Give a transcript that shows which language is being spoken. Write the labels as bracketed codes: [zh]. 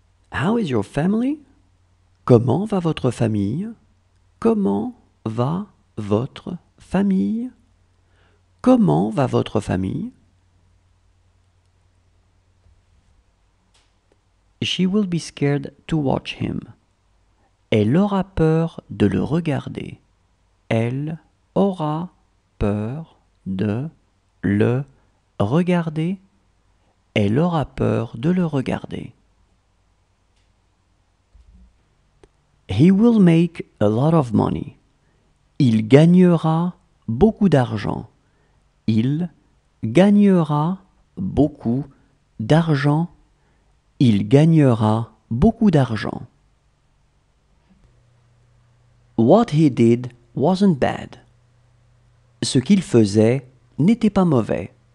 [en] How is your family? [fr] Comment va votre famille? Comment va votre famille? Comment va votre famille? [en] She will be scared to watch him. [fr] Elle aura peur de le regarder. Elle aura peur de le regarder. Elle aura peur de le regarder. [en] He will make a lot of money. [fr] Il gagnera beaucoup d'argent. Il gagnera beaucoup d'argent. Il gagnera beaucoup d'argent. [en] What he did wasn't bad. [fr] Ce qu'il faisait n'était pas mauvais.